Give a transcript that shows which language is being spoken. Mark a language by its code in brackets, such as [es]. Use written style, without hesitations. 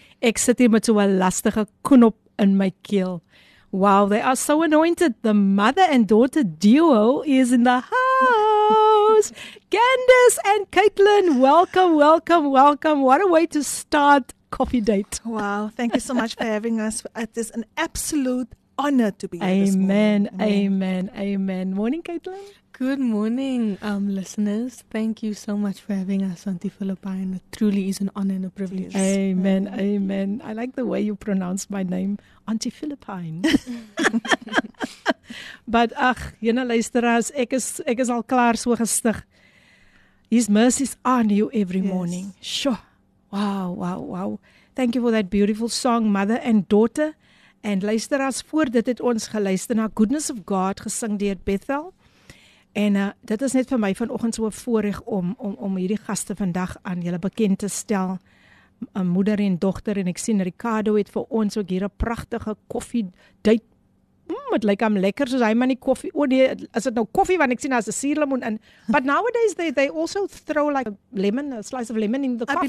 [af] Ek sit hier met so'n lastige knop in my keel. [en] Wow, they are so anointed. The mother and daughter duo is in the house. Candace and Caitlin, welcome, welcome, welcome. What a way to start koffiedate. Wow, thank you so much for having us. It is an absolute honor to be here. Amen, amen, amen. Morning, Caitlin. Good morning, listeners. Thank you so much for having us on the Philippine. It truly is an honor and a privilege. Amen, amen. I like the way you pronounce my name, Auntie Philippine. But, ach, you know, [af] luisteraars, ek is al klaar so gestig. [en] His mercies are new every morning. Yes. Sure. Wow, wow, wow. Thank you for that beautiful song, Mother and Daughter. [af] And luisteraars, voor dit het ons geluister na Goodness of God, gesing deur Bethel. En dit is net vir my vanoggend so 'n voorreg om hierdie gaste vandag aan julle bekend te stel. 'n Moeder en dogter, en ek sien Ricardo het vir ons ook hier 'n pragtige koffie duit. Dit lyk hom lekker soos hy maar nie koffie. O nee, is dit nou koffie want ek sien daar's 'n suurlemoen in. [en] But nowadays they also throw like a slice of lemon in the coffee.